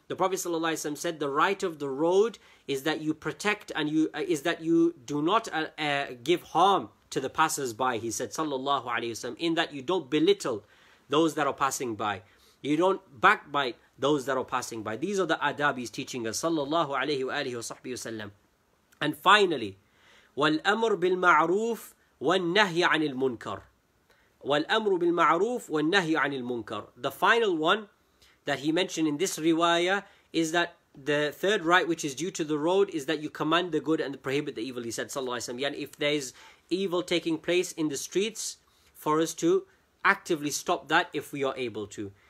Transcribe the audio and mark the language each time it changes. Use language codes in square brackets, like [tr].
[en] The Prophet sallallahu alaihi wasallam said, "The right of the road is that you protect and you do not give harm to the passersby." He said, "Sallallahu alaihi wasallam." In that you don't belittle those that are passing by. You don't backbite those that are passing by. These are the adab he's teaching us. Sallallahu alaihi wasallam. And finally, [ar] والأمر بالمعروف والنهي عن المنكر. والأمر بالمعروف والنهي عن المنكر. [en] The final one that he mentioned in this riwayah is that the third right, which is due to the road, is that you command the good and prohibit the evil. He said, sallallahu alaihi wasallam. If there is evil taking place in the streets, for us to actively stop that if we are able to.